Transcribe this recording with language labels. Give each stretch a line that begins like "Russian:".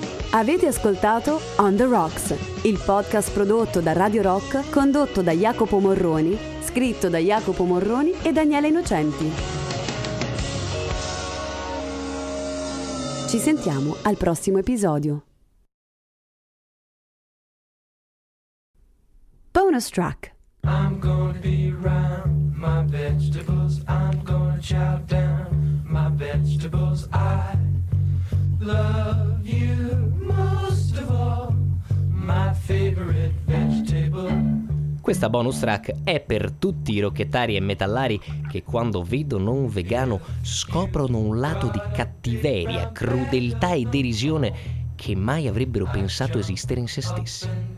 Italian: Avete ascoltato On The Rocks, il podcast prodotto da Radio Rock, condotto da Jacopo Morroni, scritto da Jacopo Morroni e Daniele Innocenti. Ci sentiamo al prossimo episodio. Bonus track.
English: I'm gonna be round my vegetables, I'm gonna chow down my vegetables, I love you.
Italian: Questa bonus track è per tutti i rockettari e metallari che quando vedono un vegano scoprono un lato di cattiveria, crudeltà e derisione che mai avrebbero pensato esistere in se stessi.